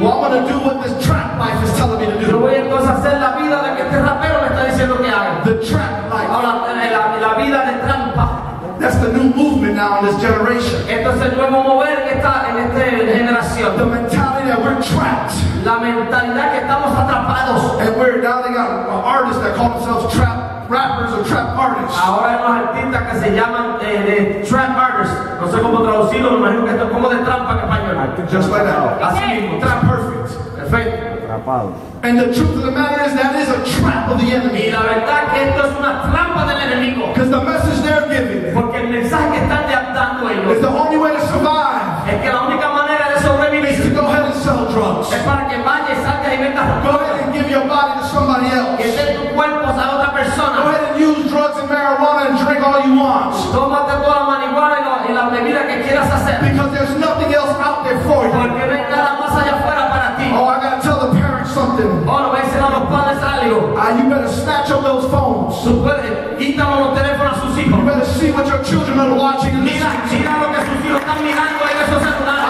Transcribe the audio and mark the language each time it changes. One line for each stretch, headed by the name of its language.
English: well, I'm going to do what this trap life is telling me to do.
Spanish: Yo voy entonces a hacer la vida de que este rapero me está diciendo que haga.
English: The trap life.
Spanish: Ahora, la vida de trampa.
English: That's the new movement now in this generation.
Spanish: Esto es el nuevo mover que está en esta generación.
English: The mentality that we're trapped.
Spanish: La mentalidad que estamos atrapados.
English: And we're now they got artists that call themselves trap rappers or trap artists.
Spanish: Ahora hay unos artistas que se llaman
English: trap artists.
Spanish: No sé cómo traducirlo, me imagino que esto es como de trampa en español.
English: Just like that.
Spanish: Así mismo.
English: Trap perfect.
Spanish: Perfecto.
English: And the truth of the matter is that is a trap of the enemy.
Spanish: Y la verdad que esto es una trampa del enemigo.
English: Because the message they're giving,
Spanish: porque el mensaje que están dando ellos,
English: is the only way to survive.
Spanish: Es que la única manera de sobrevivir
English: is to go ahead and sell drugs.
Spanish: Es para que vaya, salga y venda drogas.
English: Go ahead and give your body to somebody else.
Spanish: Que dé tu cuerpo a otra persona.
English: Go ahead and use drugs and marijuana and drink all you want.
Spanish: Tómate toda la marihuana y la bebida que quieras hacer.
English: Because there's nothing else out there for you.
Spanish: Porque no hay nada más allá afuera para ti.
English: Oh, I gotta tell the parents something. You better snatch up those phones. You better see what your children are watching.
Spanish: Mira,
English: in the
Spanish: mira lo que sus hijos están mirando en esos celulares.